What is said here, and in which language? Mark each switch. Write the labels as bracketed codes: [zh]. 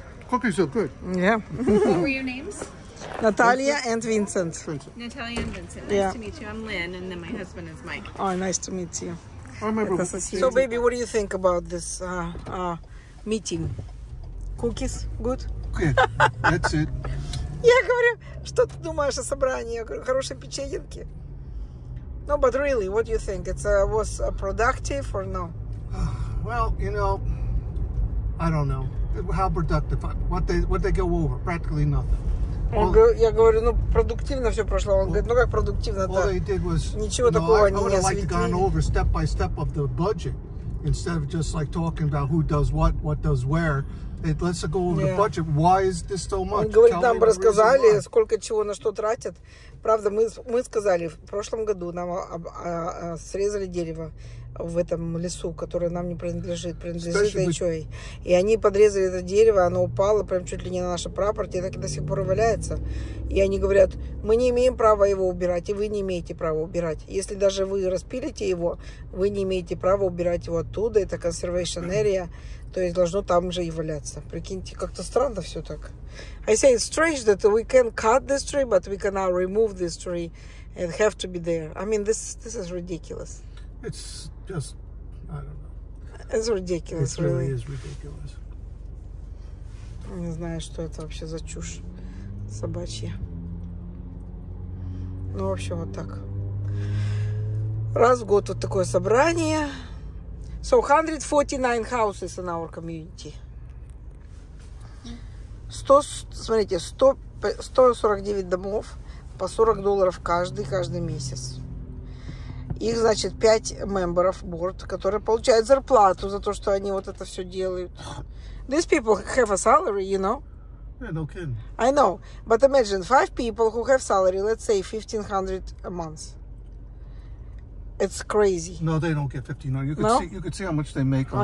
[en] Cookies are good. Yeah. What were your names? Natalia and Vincent. Natalia and Vincent. Nice yeah. to meet you. I'm Lynn, and then my husband is Mike. Oh, nice to meet you. So, baby, what do you think about this meeting? Cookies, good? Good, that's it. [ru] Я говорю, что ты думаешь о собрании? Я говорю, хорошие печеньки. [en] No, but really, what do you think? It was productive or no? Well, you know, I don't know. How productive? What they go over? Practically nothing. [ru] Я говорю, ну, продуктивно все прошло. Он говорит, ну, как продуктивно-то? Ничего такого они не осветили. [en] I would have gone over step by step of the budget. Instead of just, like, talking about who does what, what does where. Let's go over the budget. Why is this so much? [ru] Он говорит, нам рассказали, сколько чего на что тратят. Правда, мы сказали, в прошлом году нам срезали дерево в этом лесу, который нам не принадлежит, принадлежит Эйчой. И они подрезали это дерево, оно упало прям чуть ли не на наше прапорте, и так и до сих пор валяется. И они говорят, мы не имеем права его убирать, и вы не имеете права убирать. Если даже вы распилите его, вы не имеете права убирать его оттуда, это conservation area, то есть должно там же и валяться. Прикиньте, как-то странно все так. [en] I say it's strange that we can cut this tree, but we cannot remove this tree and have to be there. I mean, this is ridiculous. It's just, I don't know. It's ridiculous, it really. It really is ridiculous. [ru] Не знаю, что это вообще за чушь собачья. Ну, в общем, вот так. Раз в год вот такое собрание. [en] So, 149 houses in our community. [ru] 100, смотрите, 149 домов по $40 каждый месяц. Их, значит, 5 [en] members board, [ru] которые получают зарплату за то, что они вот это все делают. [en] These people have a salary, you know? Yeah, no kidding. I know, but imagine 5 people who have salary, let's say 1500 a month. It's crazy. No, they don't get 1500. You could see how much they make on that.